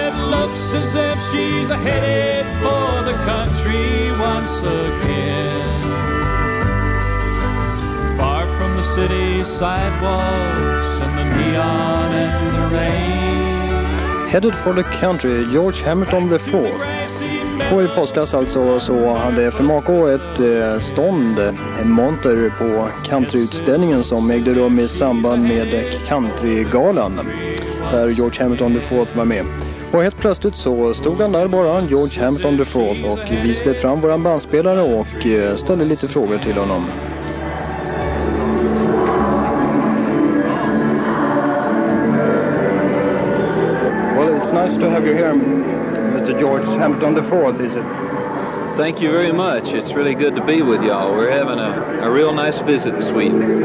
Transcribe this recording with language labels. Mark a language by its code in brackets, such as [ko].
[en] Looks as if she's headed for the country once again. Far from the city sidewalks and the neon and the rain. Headed for the country, George Hamilton IV. [sv] På i påskas alltså så hade FMAK ett stånd, en monter på countryutställningen som ägde rum i samband med countrygalan där George Hamilton IV var med. Och helt plötsligt så stod han där bara, George Hamilton IV, och vi slet fram våran bandspelare och ställde lite frågor till honom. [en] Well, it's nice to have you here, Mr. George Hamilton IV, is it? Thank you very much. It's really good to be with y'all. We're having a real nice visit in Sweden.